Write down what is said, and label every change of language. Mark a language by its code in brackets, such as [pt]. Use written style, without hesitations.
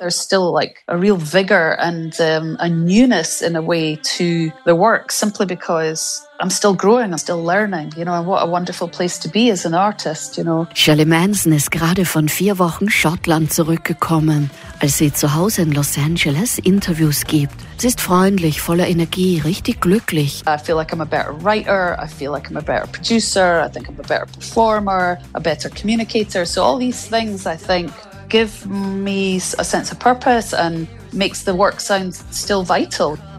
[en] there's still like a real vigor and a newness in a way to the work, simply because I'm still growing, I'm still learning, you know, and what a wonderful place to be as an artist, you know. [de] Shirley Manson ist gerade von 4 Wochen Schottland zurückgekommen, als sie zu Hause in Los Angeles Interviews gibt. Sie ist freundlich, voller Energie, richtig glücklich. [en] I feel like I'm a better writer, I feel like I'm a better producer, I think I'm a better performer, a better communicator. So all these things, I think, give me a sense of purpose and makes the work sound still vital.